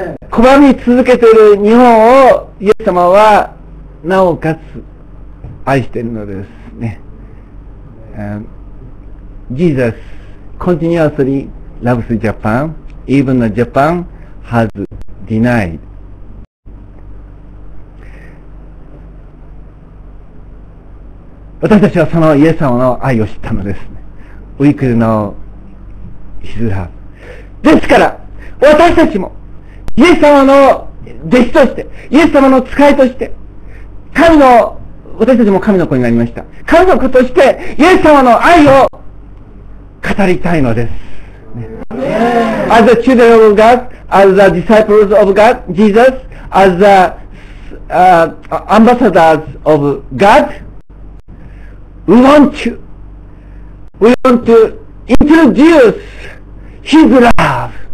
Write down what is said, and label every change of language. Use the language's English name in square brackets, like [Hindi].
[Japanese] 拒み続けている日本をイエス様はなおかつ愛しているのですね。 [English] Jesus continuouslyloves Japan, even the Japan has denied。 [Japanese] 私たちはそのイエス様の愛を知ったのです。 [English] We could know his love。 [Japanese] ですから私たちもイエス様の弟子として、イエス様の使いとして、神の、私たちも神の子になりました。神の子としてイエス様の愛を語りたいのです。 [English] As the children of God, as the disciples of God, Jesus, as the ambassadors of God, we want to introduce His love.